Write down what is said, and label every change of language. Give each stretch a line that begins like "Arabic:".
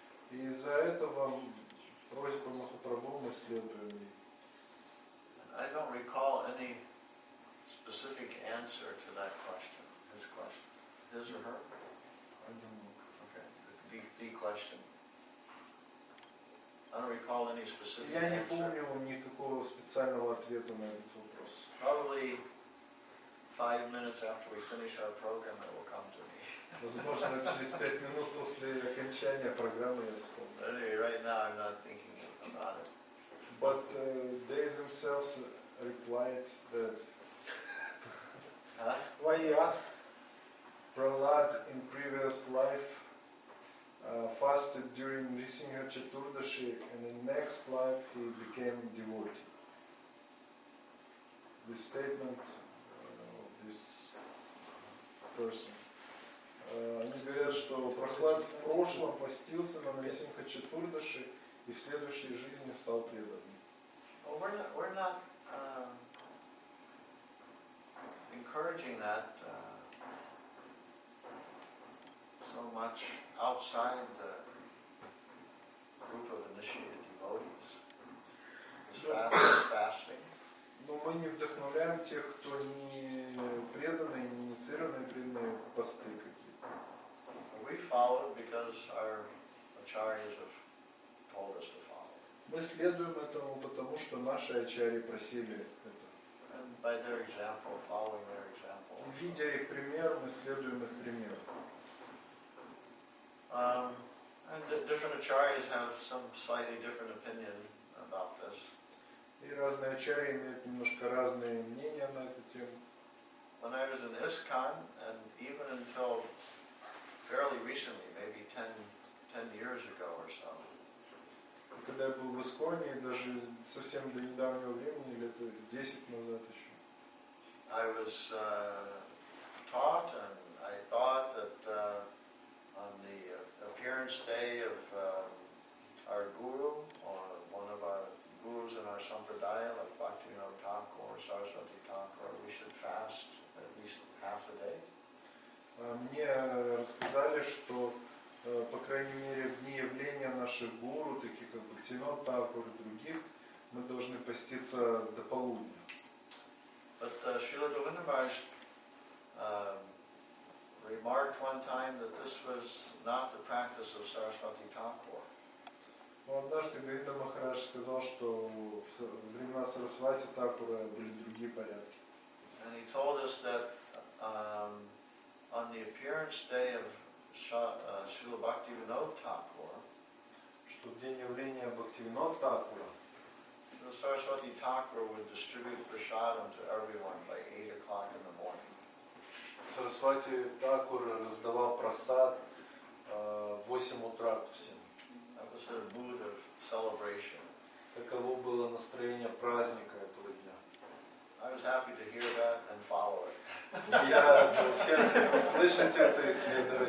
Russian: И из-за этого просьба Махапрабху мы следуем.
English: I don't recall any specific answer to that question. His question. His or her? I don't know. Okay. The question. I don't recall any specific answer.
Russian: Я не помню никакого специального ответа на этот вопрос.
English: Probably 5 minutes after we finish our program it will come to me.
Russian: Возможно, через 5 минут после окончания программы я вспомнил.
English: Anyway, right now I'm not thinking about it. But they themselves replied that... Huh? Why you asked? Prahlad in previous life fasted during Nrisimha Chaturdashi, and in next life he became a devotee. This statement of this person.
Russian: Они говорят, что Прохлад в прошлом постился на Нрисимха Чатурдаши и в следующей жизни стал преданным.
English: Encouraging that so much outside the group of initiated devotees, fasting.
Russian: Но мы не вдохновляем тех, кто не преданный, не инициированный, преданные посты какие-то.
English: We follow because our acharyas have told us to follow.
Russian: Мы следуем этому потому, что наши ачарьи просили это.
English: By their example, following their example.
Russian: Видя их пример, мы следуем их примеру.
English: And the different acharyas have some slightly different opinion about this.
Russian: И разные ачарьи имеют немножко разные мнения на эту тему.
English: When I was in ISKCON, and even until fairly recently, maybe 10 years ago or so.
Russian: Когда я был в ИСККОНе, даже совсем до недавнего времени, лет 10 назад еще.
English: I was taught, and I thought that on the appearance day of our guru, or one of our gurus in our sampradaya, like Bhaktivinoda Thakur or Saraswati Thakur, we should fast at least half a day.
Russian: Мне рассказали, что по крайней мере в дни явления наших гуру, таких как Бхактивинода Тхакур и других, мы должны поститься до полудня.
English: But Srila Govinda Maharaj remarked one time that this was not the practice of Saraswati Thakur.
Russian: Однажды Говинда Махарадж сказал, что в времена Сарасвати Такура были другие порядки.
English: And he told us that on the appearance day of Srila Bhaktivinoda Thakur,
Russian: что в день явления Бхактивинода Такура,
English: the Saraswati Thakur would distribute prasadam to everyone by 8 o'clock in the morning.
Russian: Saraswati Thakur раздавал прасад в 8 утра всем.
English: That was a mood of celebration.
Russian: Таково было настроение праздника этого дня.
English: I was happy to hear that and follow it.
Russian: Я был счастлив услышать это и следовать